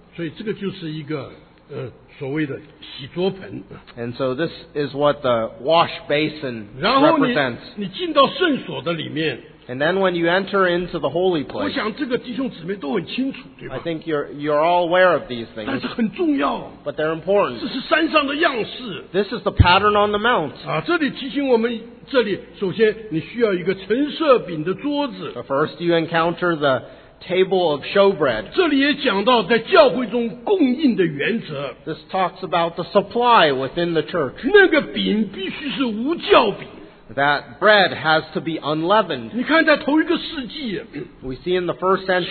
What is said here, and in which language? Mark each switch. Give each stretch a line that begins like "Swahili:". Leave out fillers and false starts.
Chinese: 所以这个就是一个所谓的洗桌盆。
English: And so this is what the wash basin represents.
Chinese: 你进到圣所的里面。
English: And then when you enter into the holy place,
Chinese: 我想这个弟兄姊妹都很清楚，对吧？
English: I think you're all aware of these things.
Chinese: 但是很重要。
English: But they're important.
Chinese: 这是山上的样式。
English: This is the pattern on the mount.
Chinese: 啊，这里提醒我们，这里首先你需要一个陈设饼的桌子。
English: But first you encounter the table of showbread.
Chinese: 这里也讲到在教会中供应的原则。
English: This talks about the supply within the church.
Chinese: 那个饼必须是无酵饼。
English: That bread has to be unleavened.
Chinese: 你看在头一个世纪，
English: we see in the first century,